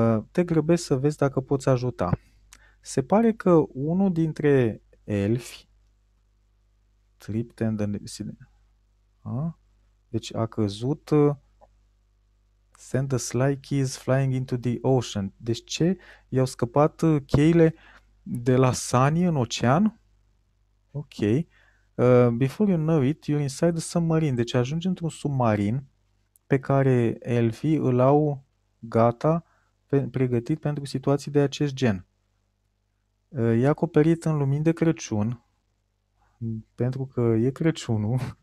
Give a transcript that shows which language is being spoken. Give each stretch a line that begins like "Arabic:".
Romanian: Te grăbești să vezi dacă poți ajuta. Se pare că unul dintre elfi
English: tripped and
Romanian: deci a căzut.
English: Send the sly keys flying into the ocean.
Romanian: Deci ce? I-au scăpat cheile de la Sunny în ocean? Ok.
English: Before you know it, you're inside the submarine.
Romanian: Deci ajungi într-un submarin pe care elfii îl au gata, pregătit pentru situații de acest gen. E acoperit în lumini de Crăciun, pentru că e Crăciunul.